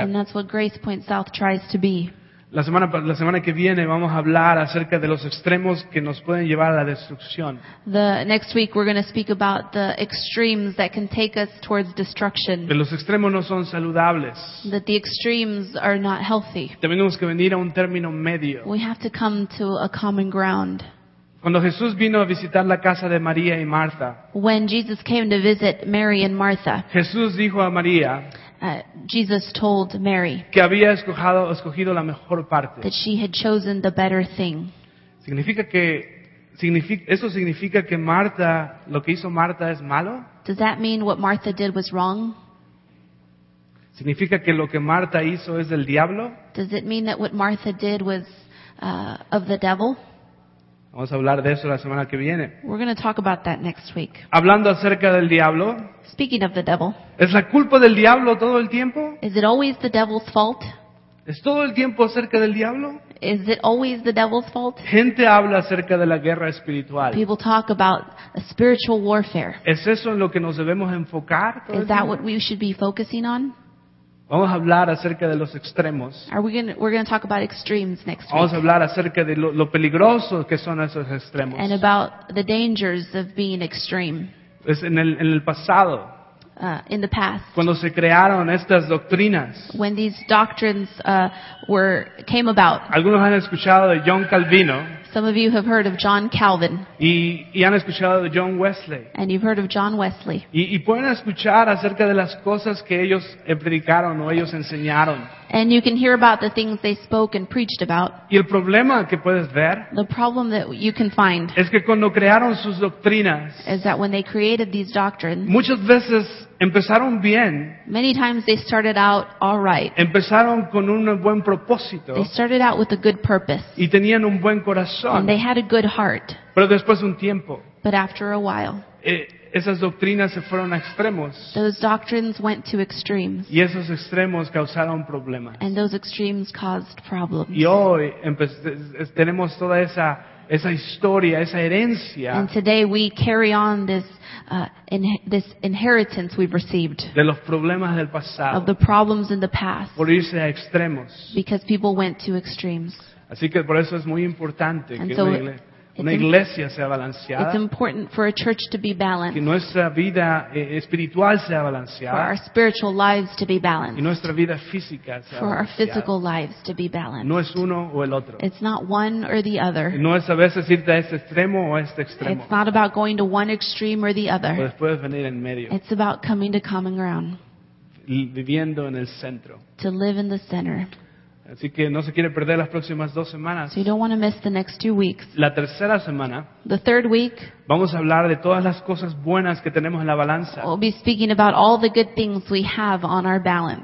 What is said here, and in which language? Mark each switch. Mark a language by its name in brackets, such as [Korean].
[English] And that's what Grace Point South tries to be. [Spanish] La semana que viene vamos a hablar acerca de los extremos que nos pueden llevar a la destrucción. [English] The next week we're going to speak about the extremes that can take us towards destruction. [Spanish] Que los extremos no son saludables. [English] That the extremes are not healthy. [Spanish] Tenemos que venir a un término medio. [English] We have to come to a common ground. [Spanish] Cuando Jesús vino a visitar la casa de María y Marta. [English] When Jesus came to visit Mary and Martha. [Spanish] Jesús dijo a María. [English] Jesus told Mary [Spanish] que había escogido la mejor parte. [English] That she had chosen the better thing. [Spanish] Eso significa que Marta, lo que hizo Marta es malo? [English] Does that mean what Martha did was wrong? [Spanish] ¿Significa que lo que Marta hizo es del diablo? [English] Does it mean that what Martha did was of the devil? [Spanish] Vamos a hablar de eso la semana que viene. [English] We're going to talk about that next week. [Spanish] Hablando acerca del diablo. [English] Speaking of the devil. [Spanish] ¿Es la culpa del diablo todo el tiempo? [English] Is it always the devil's fault? [Spanish] ¿Es todo el tiempo acerca del diablo? [English] Is it always the devil's fault? [Spanish] Gente habla acerca de la guerra espiritual. [English] People talk about a spiritual warfare. [Spanish] ¿Es eso en lo que nos debemos enfocar todo el tiempo? [English] Is that what we should be focusing on? [Spanish] Vamos a hablar acerca de los extremos. [English] We're going to talk about extremes next week. [Spanish] Vamos a hablar acerca de lo peligroso que son esos extremos. [English] And about the dangers of being extreme. [Spanish] Es en el pasado. [English] In the past. [Spanish] Cuando se crearon estas doctrinas. [English] When these doctrines came about. [Spanish] Algunos han escuchado de John Calvino. [English] Some of you have heard of John Calvin. [Spanish] Y han escuchado de John Wesley. [English] And you've heard of John Wesley. [Spanish] Y pueden escuchar acerca de las cosas que ellos predicaron o ellos enseñaron. [English] And you can hear about the things they spoke and preached about. [Spanish] Y el problema que puedes ver. [English] The problem that you can find. [Spanish] Es que cuando crearon sus doctrinas. [English] Is that when they created these doctrines. [Spanish] Muchas veces empezaron bien. [English] Many times they started out all right. [Spanish] Empezaron con un buen propósito. [English] They started out with a good purpose. [Spanish] Y tenían un buen corazón. [English] And they had a good heart. [Spanish] Pero después de un tiempo. [English] But after a while. [Spanish] Esas doctrinas se fueron a extremos. [English] Those doctrines went to extremes. [Spanish] Y esos extremos causaron problemas. [English] And those extremes caused problems. [Spanish] Y hoy tenemos toda esa historia, esa herencia. [English] And today we carry on this inheritance we've received. [Spanish] De los problemas del pasado. [English] Of the problems in the past. [Spanish] Por irse a extremos. [English] Because people went to extremes. [Spanish] Así que por eso es muy importante que la iglesia. Una iglesia sea balanceada. [English] It's important for a church to be balanced. [Spanish] Que nuestra vida espiritual sea balanceada. [English] For our spiritual lives to be balanced. [Spanish] Y nuestra vida física sea [English] for [Spanish] balanceada. [English] Our physical lives to be balanced. [Spanish] No es uno o el otro. [English] It's not one or the other. [Spanish] No es a veces irte a este extremo o a este extremo. [English] It's not about going to one extreme or the other. [Spanish] O después venir en medio. [English] It's about coming to common ground. [Spanish] Viviendo en el centro. [English] To live in the center. [Spanish] Así que no se quiere perder las próximas dos semanas. [English] So you don't want to miss the next 2 weeks. [Spanish] La tercera semana. [English] The third week. [Spanish] Vamos a hablar de todas las cosas buenas que tenemos en la balanza. [English] We'll be speaking about all the good things we have on our balance.